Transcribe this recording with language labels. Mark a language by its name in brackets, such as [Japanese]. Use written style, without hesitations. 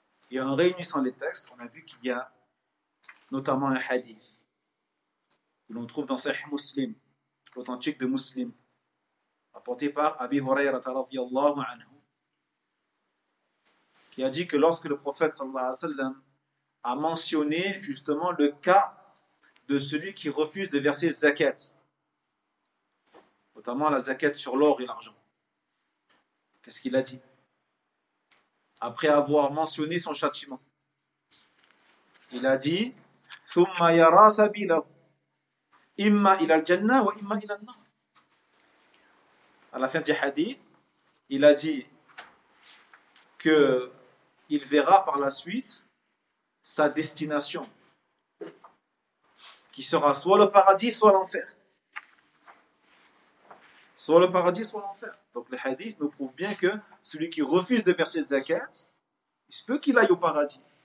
[French] Et en réunissant les textes, on a vu qu'il y a notamment un hadith que l'on trouve dans Sahih Muslim, l'authentique de Muslim, rapporté par Abi Hurayrata radiallahu anhu, qui a dit que lorsque le prophète sallallahu alayhi wa sallam a mentionné justement le cas de celui qui refuse de verser zakat, notamment la zakat sur l'or et l'argent. Qu'est-ce qu'il a dit? Après avoir mentionné son châtiment, il a dit: [Arabic] ثُمَّ يَرَى سَبِيلَهُ إِمَّا إِلَى الْجَنَّةِ وَإِمَّا إِلَى النَّارِ. [French] À la fin du hadith, il a dit qu'il verra par la suite sa destination, qui sera soit le paradis, soit l'enfer. Soit le paradis, soit l'enfer. Donc le hadith nous prouve bien que celui qui refuse de verser zakat, il se peut qu'il aille au paradis.